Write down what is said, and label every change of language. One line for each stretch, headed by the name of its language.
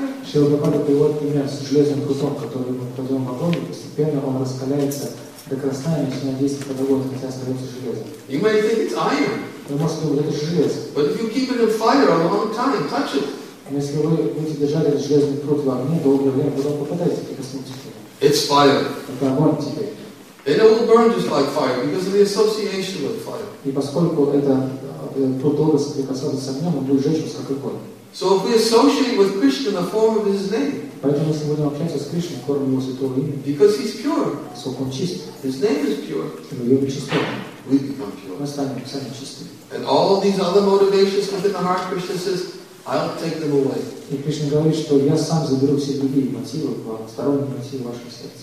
Russian: Шрила Прабхупада приводит пример с железным прутом, который мы кладем в огонь, и постепенно он раскаляется до красна и начинает действовать под огонь, хотя остается железом.
English: You may think it's iron.
Russian: Вы можете думать, это же железо.
English: But if you keep it in fire a long time, touch it.
Russian: Но если вы будете держать этот железный прут в огне, долгое время потом попадаете, прикоснитесь к нему.
English: It's fire.
Russian: Это огонь теперь.
English: And it will burn just like fire because of the association with fire.
Russian: И поскольку это прут долго соприкасался с огнем, он будет жечь вас как огонь.
English: So if we associate with Krishna the form of his name.
Russian: Поэтому если мы будем общаться с Кришной, формой его святого имени.
English: Because he's pure.
Russian: Поскольку он чист.
English: His name is pure.
Russian: Его имя чисто.
English: We become pure.
Russian: Мы станем сами чистыми.
English: And all of these other motivations within the heart, Krishna says, I'll take them away.
Russian: И Кришна говорит, что я сам заберу все другие мотивы, сторонние мотивы вашего сердца.